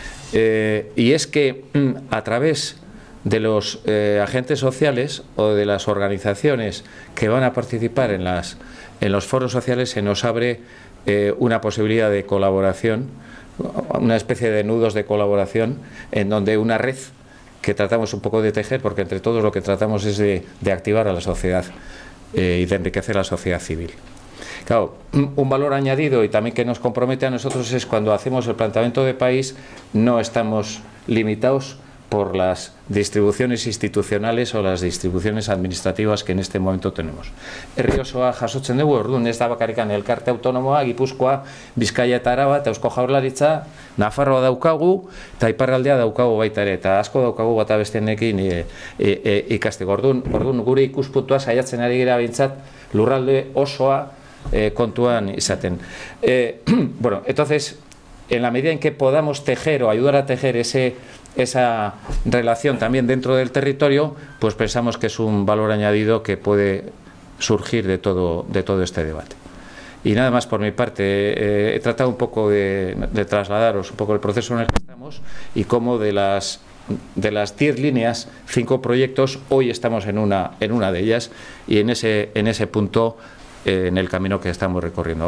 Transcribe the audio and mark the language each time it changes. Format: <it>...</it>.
<es>Y es que a través de los agentes sociales o de las organizaciones que van a participar en los foros sociales se nos abre una posibilidad de colaboración, una especie de nudos de colaboración en donde una red que tratamos un poco de tejer, porque entre todos lo que tratamos es de activar a la sociedad y de enriquecer a la sociedad civil. Claro, un valor añadido y también que nos compromete a nosotros es cuando hacemos el planteamiento de país no estamos limitados por las distribuciones institucionales o las distribuciones administrativas que en este momento tenemos.</es> <eu>Herriosoa jasotzen dugu, orduan ez da bakarrik elkarte autonomoa, Gipuzkoa, Bizkaia eta Araba, eta Eusko Jaurlaritza, Nafarroa daukagu, eta Iparraldea daukagu baita ere, eta asko daukagu bata bestienekin ikasteko. Orduan gure ikuspuntua saiatzen ari gira behintzat lurralde osoa kontuan izaten.</eu> <es>Bueno, entonces, en la medida en que podamos tejer o ayudar a tejer esa relación también dentro del territorio, pues pensamos que es un valor añadido que puede surgir de todo este debate. Y nada más por mi parte. He tratado un poco de trasladaros un poco el proceso en el que estamos y cómo de las 10 líneas, 5 proyectos, hoy estamos en una de ellas y en ese punto en el camino que estamos recorriendo.</es>